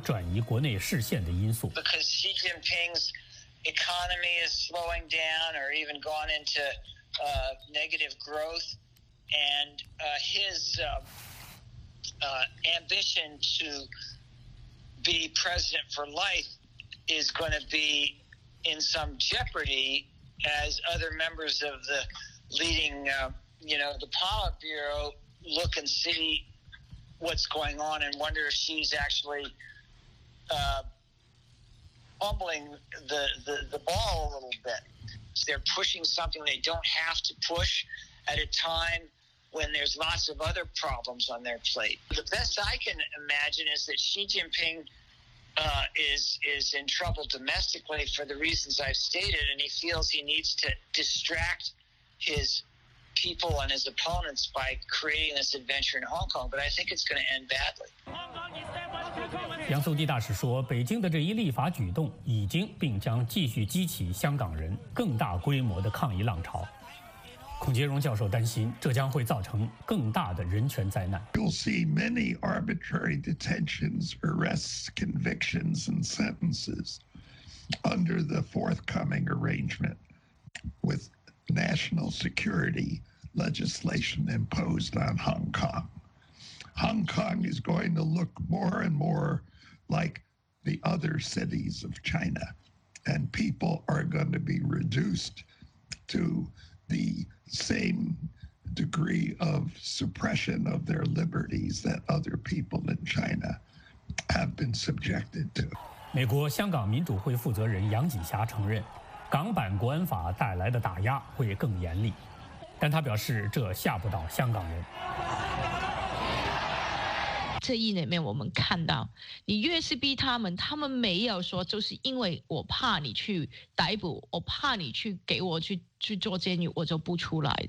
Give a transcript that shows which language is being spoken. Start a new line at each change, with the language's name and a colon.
Chinese: 美国驻香港总领事杨苏蒂大使认为，北京想在香港推动国安立法并不新鲜，新的是为什么要在现在推出？他认为其中有陷于经济政治困境的习近平想转移国内视线的因素。
English: Because Xi Jinping's economy is slowing down or even gone into negative growth, and his ambition to be president for life is going to be in some jeopardy as other members of the leading, the Politburo look and see what's going on and wonder if she's actually fumbling the ball a little bit. They're pushing something they don't have to push at a time when there's lots of other problems on their plate. The best I can imagine is that Xi Jinping is in trouble domestically for the reasons I've stated, and he feels he needs to distract his people and his opponents by creating this adventure in Hong Kong, but I think it's going to end badly.
Chinese: 杨苏蒂大使说，北京的这一立法举动已经并将继续激起香港人更大规模的抗议浪潮。孔杰荣教授担心，这将会造成更大的人权灾难。
English: You'll see many arbitrary detentions, arrests, convictions, and sentences under the forthcoming arrangement with national security legislation imposed on Hong Kong. Hong Kong is going to look more and more like the other cities of China and people are going to be reduced to the same degree of suppression of their liberties that other people in China have been subjected to.
Chinese: 美国香港民主会负责人杨锦霞承认，港版国安法带来的打压会更严厉，但他表示这吓不倒香港人。这一里面我们看到，你越是逼他们，他们没有说就是因为我怕你去逮捕，我怕你去给我去做监狱，我就不出来。